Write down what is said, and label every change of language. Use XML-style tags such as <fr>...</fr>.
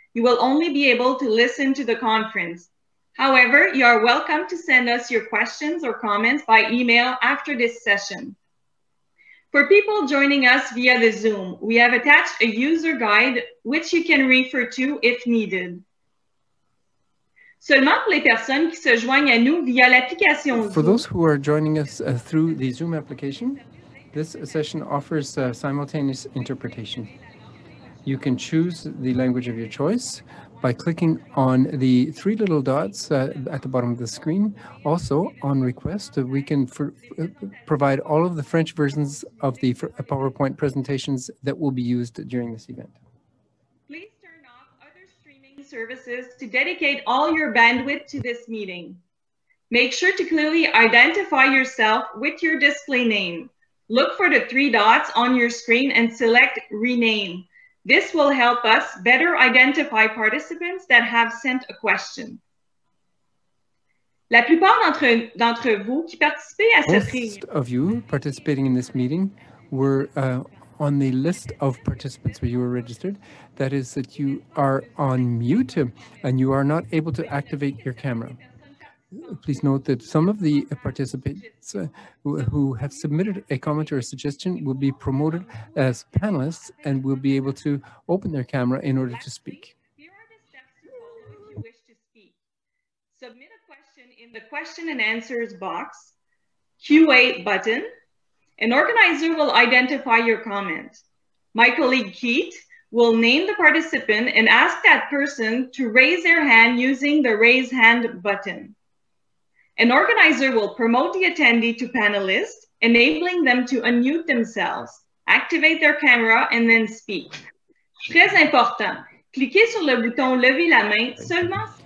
<en>You will only be able to listen to the conference. However, you are welcome to send us your questions or comments by email after this session. For people joining us via the Zoom, we have attached a user guide, which you can refer to if needed.</en> <fr>Seulement pour les personnes qui se joignent à nous via l'application Zoom.</fr> <en>For those who are joining us through the Zoom application, this session offers simultaneous interpretation. You can choose the language of your choice by clicking on the three little dots at the bottom of the screen. Also, on request, we can provide all of the French versions of the PowerPoint presentations that will be used during this event. Please turn off other streaming services to dedicate all your bandwidth to this meeting. Make sure to clearly identify yourself with your display name. Look for the three dots on your screen and select Rename. This will help us better identify participants that have sent a question.</en> <fr>La plupart d'entre vous qui participez à cette réunion.</fr> <en>Most of you participating in this meeting were on the list of participants where you were registered. That is that you are on mute and you are not able to activate your camera. Please note that some of the participants who have submitted a comment or a suggestion will be promoted as panelists and will be able to open their camera in order to speak. Here are the steps to follow if you wish to speak. Submit a question in the question and answers box, QA button. An organizer will identify your comment. My colleague Keith will name the participant and ask that person to raise their hand using the raise hand button. An organizer will promote the attendee to panelist, enabling them to unmute themselves, activate their camera, and then speak.</en> <fr>Très important. Cliquez sur le bouton lever la main seulement.</fr>